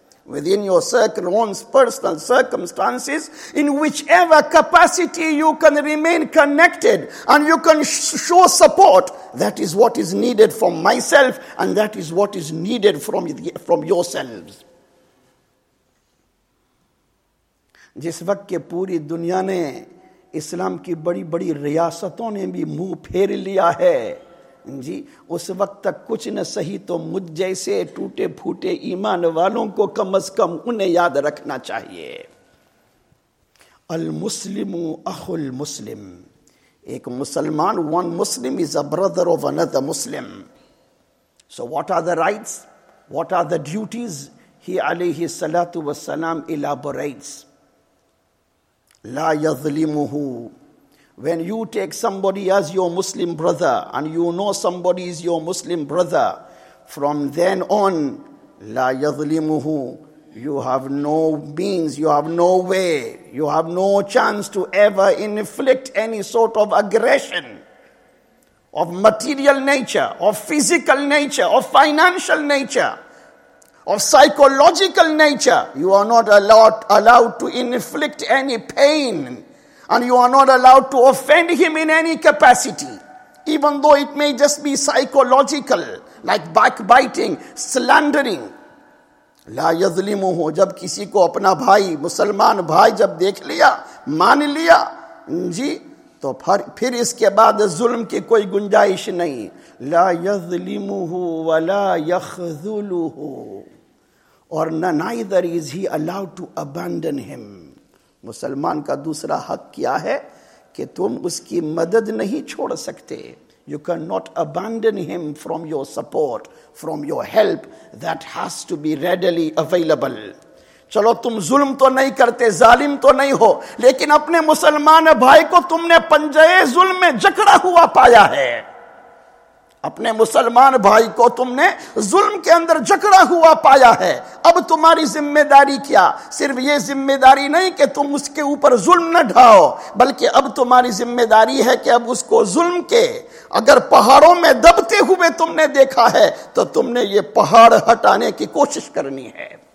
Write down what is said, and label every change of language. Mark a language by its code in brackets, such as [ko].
[en] Within your own personal circumstances, in whichever capacity you can remain connected and you can show support, that is what is needed from myself and that is what is needed from yourselves. [ur] جس وقت کہ پوری دنیا نے اسلام کی بڑی بڑی ریاستوں نے بھی منہ پھیر لیا ہے جی, اس وقت تک کچھ نہ صحیح تو مجھ جیسے ٹوٹے پھوٹے ایمان والوں کو کم از کم انہیں یاد رکھنا چاہیے. [ar] المسلم اخ المسلم, [ur] ایک مسلمان, [en] One Muslim is a brother of another Muslim. So what are the rights, what are the duties, he علیہ الصلاۃ والسلام elaborates. [ar] لا یظلمہ, [en] when you take somebody as your Muslim brother and you know somebody is your Muslim brother, from then on, [ar] لا يظلمه, [en] You have no means, you have no way, you have no chance to ever inflict any sort of aggression of material nature, of physical nature, of financial nature, of psychological nature. You are not allowed to inflict any pain, and you are not allowed to offend him in any capacity, even though it may just be psychological, like backbiting, slandering. [ar] لا يظلمه [ur] جب کسی کو اپنا بھائی مسلمان بھائی جب دیکھ لیا مان لیا جی تو پھر اس کے بعد ظلم کی کوئی گنجائش نہیں. [ar] لا يظلمه ولا يخذله, [ur] اور نہ [en] neither is he allowed to abandon him. [ur] مسلمان کا دوسرا حق کیا ہے کہ تم اس کی مدد نہیں چھوڑ سکتے. [en] You cannot abandon him from your support, from your help. That has to be readily available. [ur] چلو تم ظلم تو نہیں کرتے, ظالم تو نہیں ہو, لیکن اپنے مسلمان بھائی کو تم نے پنجے ظلم میں جکڑا ہوا پایا ہے. اپنے مسلمان بھائی کو تم نے ظلم کے اندر جکڑا ہوا پایا ہے, اب تمہاری ذمہ داری کیا؟ صرف یہ ذمہ داری نہیں کہ تم اس کے اوپر ظلم نہ ڈھاؤ, بلکہ اب تمہاری ذمہ داری ہے کہ اب اس کو ظلم کے اگر پہاڑوں میں دبتے ہوئے تم نے دیکھا ہے تو تم نے یہ پہاڑ ہٹانے کی کوشش کرنی ہے.